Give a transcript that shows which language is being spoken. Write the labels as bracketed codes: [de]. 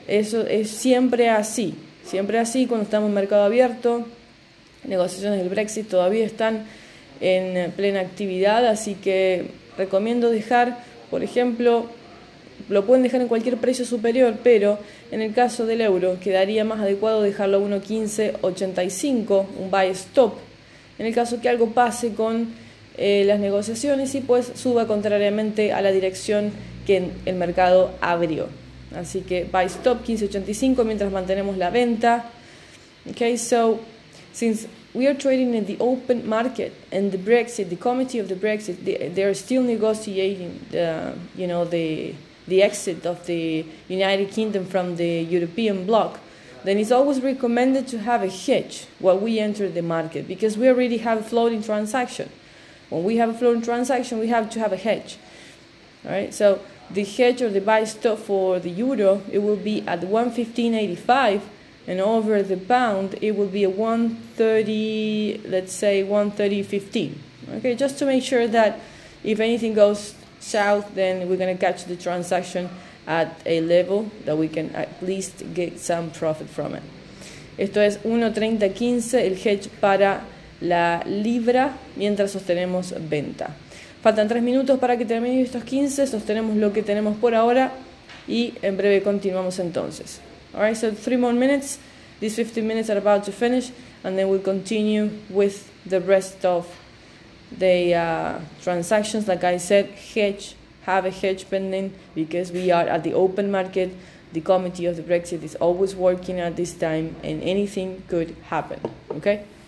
[es] Eso es siempre así cuando estamos en mercado abierto, negociaciones del Brexit todavía están en plena actividad, así que recomiendo dejar, por ejemplo, lo pueden dejar en cualquier precio superior, pero en el caso del euro quedaría más adecuado dejarlo a 1.1585, un buy stop, en el caso que algo pase con las negociaciones y pues suba contrariamente a la dirección que el mercado abrió. Así que buy stop 1585 mientras mantenemos la venta. [en] Okay, so since we are trading in the open market and the Brexit, the committee of the Brexit, they are still negotiating the exit of the United Kingdom from the European bloc, then it's always recommended to have a hedge while we enter the market because we already have a floating transaction. When we have a floating transaction, we have to have a hedge. Right, so the hedge or the buy stop for the euro, it will be at 115.85, and over the pound, it will be at 130, let's say 130.15. Okay, just to make sure that if anything goes south, then we're going to catch the transaction at a level that we can at least get some profit from it. [es] Esto es 1.3015, el hedge para la libra, mientras sostenemos venta. Faltan 3 minutos para que terminen estos 15, sostenemos lo que tenemos por ahora y en breve continuamos entonces. [en] Alright, so 3 more minutes, these 15 minutes are about to finish, and then we'll continue with the rest of the transactions. Like I said, hedge, have a hedge pending, because we are at the open market, the committee of the Brexit is always working at this time, and anything could happen, okay?